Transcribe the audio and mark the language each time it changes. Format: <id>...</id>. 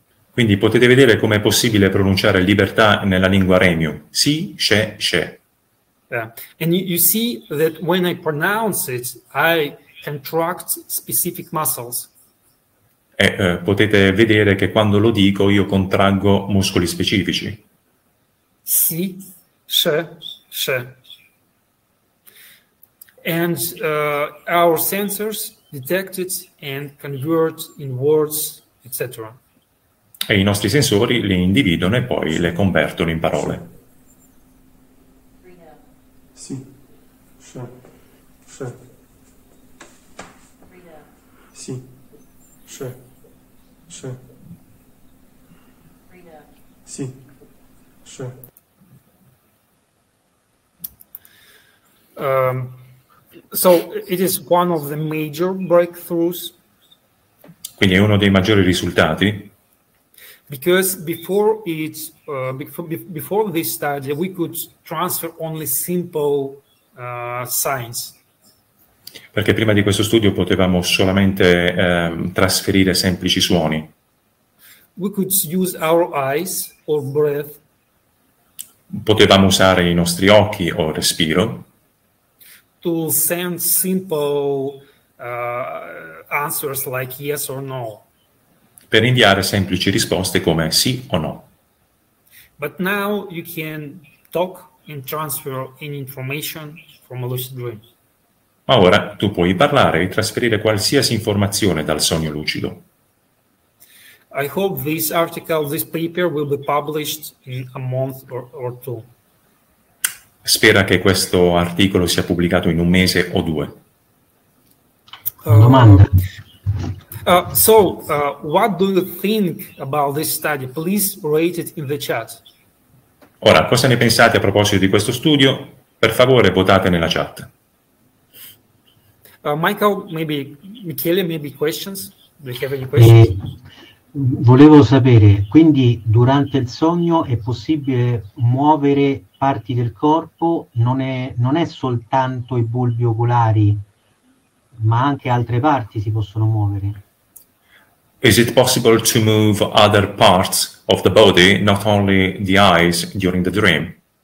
<it>Quindi potete vedere com'è possibile pronunciare libertà nella lingua Remio. Si, she, she.</it> <en>Yeah. And you see that when I pronounce it, I contract specific muscles.</en> <it>potete vedere che quando lo dico io contraggo muscoli specifici. Sì, sì, sì.</it> <en>And our sensors detect it and convert in words, etc.</en> <it>E i nostri sensori li individuano e poi le convertono in parole. Sì, sì, sì. Sì, sì, sì. Sì, sì.</it> <en>So it is one of the major breakthroughs.</en> <it>Quindi è uno dei maggiori risultati.</it> <en>Because before it, before this study, we could transfer only simple signs.</en> <it>Perché prima di questo studio potevamo solamente trasferire semplici suoni.</it> <en>We could use our eyes or breath.</en> <it>Potevamo usare i nostri occhi o il respiro.</it> <en>To send simple answers like yes or no.</en> <it>Per inviare semplici risposte come sì o no.</it> <en>But now you can talk and transfer any information from a lucid dream.</en> <it>Ma ora tu puoi parlare e trasferire qualsiasi informazione dal sogno lucido.</it> <en>I hope this article, this paper will be published in a month or two.</en> <it>Spera che questo articolo sia pubblicato in un mese o due. Domanda.</it> <en>What do you think about this study? Please rate it in the chat.</en> <it>Ora, cosa ne pensate a proposito di questo studio? Per favore, votate nella chat.</it> <en>Michael, maybe Michele, maybe questions? Do you have any questions?</en> <it>Volevo sapere, quindi durante il sogno è possibile muovere parti del corpo? Non è soltanto i bulbi oculari, ma anche altre parti si possono muovere?</it> <en>Is it possible to move other parts of the body, not only the eyes, during the dream?</en>